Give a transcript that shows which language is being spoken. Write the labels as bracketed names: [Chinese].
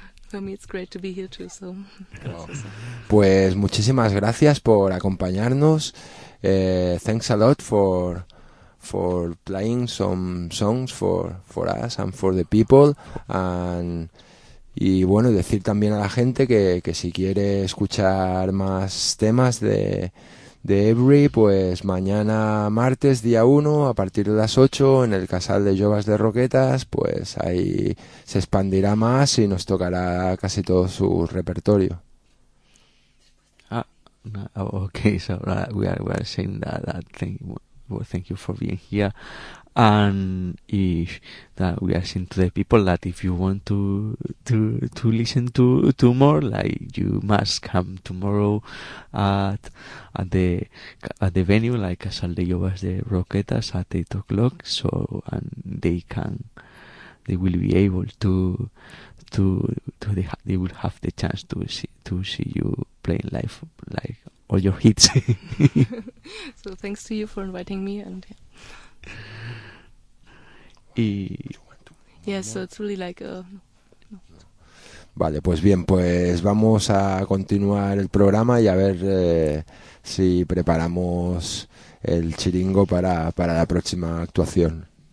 [English] For me it's great to be here too, so. [Spanish] Pues muchísimas gracias por acompañarnos. [English] Thanks a lot for playing some songs for us and for the people. [Spanish] And y bueno, decir también a la gente que si quiere escuchar más temas de Every, pues mañana martes día 1 a partir de las 8 en el Casal de Joves de Roquetas, pues ahí se expandirá más y nos tocará casi todo su repertorio. Ah, [English] No, oh, okay, so we are saying that thing. Well, thank you for being here, and if that we are saying to the people that if you want to listen to more, like, you must come tomorrow at the venue, like Casal de Jovas de Roquetas, at 8 o'clock, so, and they will have the chance to see you playing live, like, all your hits. So thanks to you for inviting me, and yeah. So it's really like a... [Spanish] Vale, pues bien, pues vamos a continuar el programa y a ver si preparamos el chiringo para la próxima actuación.